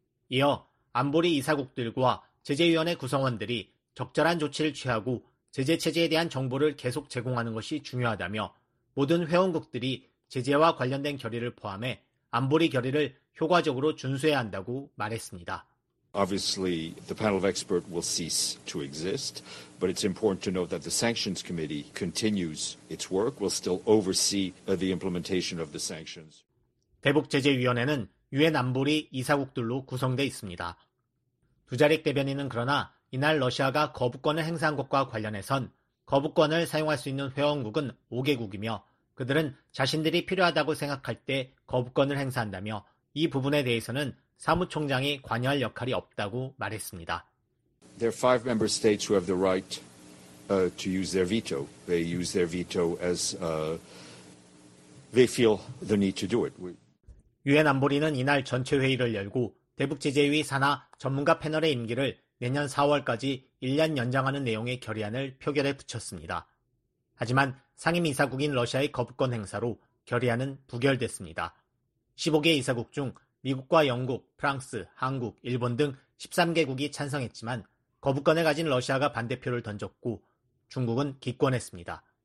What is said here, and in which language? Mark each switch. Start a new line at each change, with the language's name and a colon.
Korean: 이어 안보리 이사국들과 제재위원회 구성원들이 적절한 조치를 취하고 제재체제에 대한 정보를 계속 제공하는 것이 중요하다며 모든 회원국들이 제재와 관련된 결의를 포함해 안보리 결의를 효과적으로 준수해야 한다고 말했습니다.
English: Obviously, the panel of experts will cease to exist, but it's important to note that the sanctions committee continues its work, will still oversee the implementation of the sanctions.
Korean: 대북제재위원회는 유엔 안보리 이사국들로 구성돼 있습니다. 두자릭 대변인은 그러나 이날 러시아가 거부권을 행사한 것과 관련해선 거부권을 사용할 수 있는 회원국은 5개국이며 그들은 자신들이 필요하다고 생각할 때 거부권을 행사한다며 이 부분에 대해서는 사무총장이 관여할 역할이 없다고 말했습니다.
English: There are five member states who have the right, to use their veto. They use their veto as, they feel the need to do it.
Korean: 유엔 안보리는 이날 전체 회의를 열고 대북제재위 산하 전문가 패널의 임기를 내년 4월까지 1년 연장하는 내용의 결의안을 표결에 붙였습니다. 하지만 상임이사국인 러시아의 거부권 행사로 결의안은 부결됐습니다. 15개 이사국 중 미국과 영국, 프랑스, 한국, 일본 등 13개국이 찬성했지만 거부권을 가진 러시아가 반대표를 던졌고 중국은 기권했습니다.